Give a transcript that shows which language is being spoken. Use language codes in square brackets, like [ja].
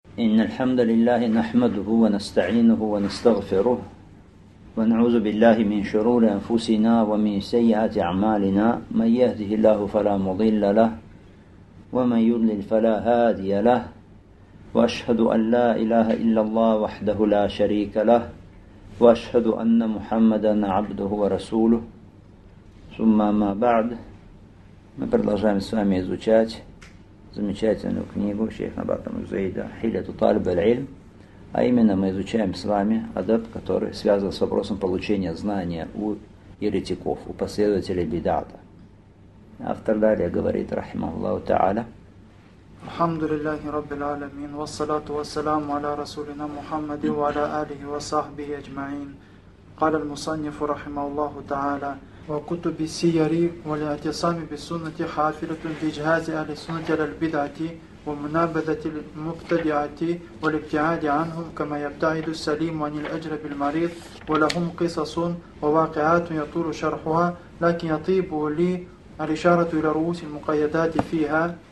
[ar] إن الحمد لله نحمده ونستعينه ونستغفره ونعوذ بالله من شرور أنفسنا ومن سيئات أعمالنا، من يهده الله فلا مضل له ومن يضلل فلا هادي له، وأشهد أن لا إله إلا الله وحده لا شريك له، وأشهد أن محمدا عبده ورسوله. ثم ما بعد، [ru] мы продолжаем с вами изучать замечательную книгу шейха Батам Зейда «Хилету Талиб Аль-Ильм», а именно мы изучаем с вами адаб, который связан с вопросом получения знания у еретиков, у последователей бидата. Автор далее говорит, рахима Аллаху Та'аля. [ar] الحمد لله رب العالمين والصلاة والسلام على رسولنا محمد وعلى آله وصحبه أجمعين. قال المصنف رحمه الله تعالى: وكتب السير والاعتصام بالسنة حافلة في جهاز أهل السنة للبدعة ومنابذة المبتدعة والابتعاد عنهم كما يبتعد السليم عن الأجر بالمريض، ولهم قصص وواقعات يطول شرحها، لكن يطيب لي الإشارة إلى رؤوس المقيدات فيها.